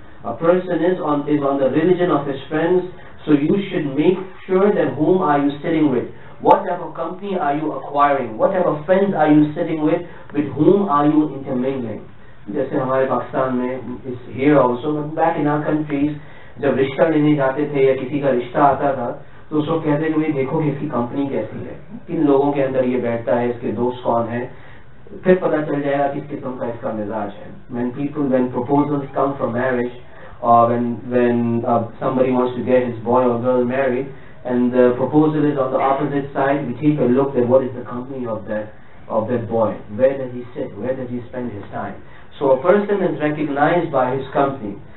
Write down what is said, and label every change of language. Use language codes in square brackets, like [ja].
[en] A person is on the religion of his friends. So you should make sure that whom are you sitting with? What type of company are you acquiring? What type of friends are you sitting with? With whom are you intermingling? Just in our Pakistan, it's here also, but back in our countries, when we used to go to a rishta, or someone used to come to a rishta, then [hi] तो उस वक्त कहते हैं कि भाई देखो कि इसकी कंपनी कैसी है, किन लोगों के अंदर ये बैठता है, इसके दोस्त कौन है, फिर पता चल जाएगा किस किस्म का इसका मिजाज है. [en] When people, when proposals come for marriage, or when somebody wants to get his boy or girl married, and the proposal is on the opposite side, we take a look at what is the company of that boy. Where does he sit? Where does he spend his time? So a person is recognized by his company.